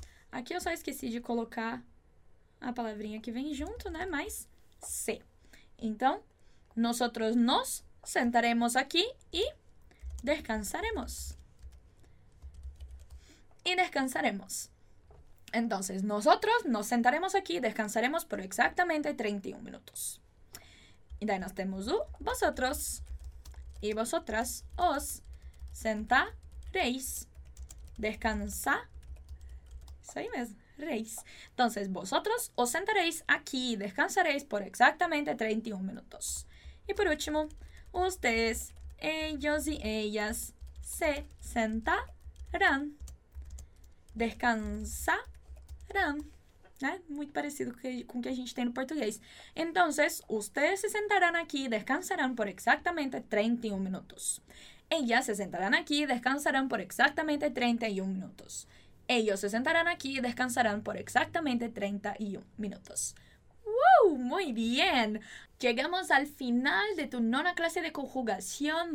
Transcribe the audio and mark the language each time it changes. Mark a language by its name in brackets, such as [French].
[Portuguese] Aqui eu só esqueci de colocar a palavrinha que vem junto, né? [Spanish] Mas se. Então, nosotros nos sentaremos aqui e descansaremos. Y descansaremos. Entonces, nosotros nos sentaremos aquí y descansaremos por exactamente 31 minutos. Y de ahí nos tenemos vosotros y vosotras os sentaréis, descansaréis. Eso ahí mismo, reis. Entonces, vosotros os sentaréis aquí y descansaréis por exactamente 31 minutos. Y por último, ustedes, ellos y ellas se sentarán. Descansarán, né? [Portuguese] Muito parecido com o que a gente tem no português. [Spanish] Entonces, ustedes se sentarán aquí y descansarán por exactamente 31 minutos. Ellas se sentarán aquí y descansarán por exactamente 31 minutos. Ellos se sentarán aquí y descansarán por exactamente 31 minutos. ¡Wow! ¡Muy bien! Llegamos al final de tu nona clase de conjugación.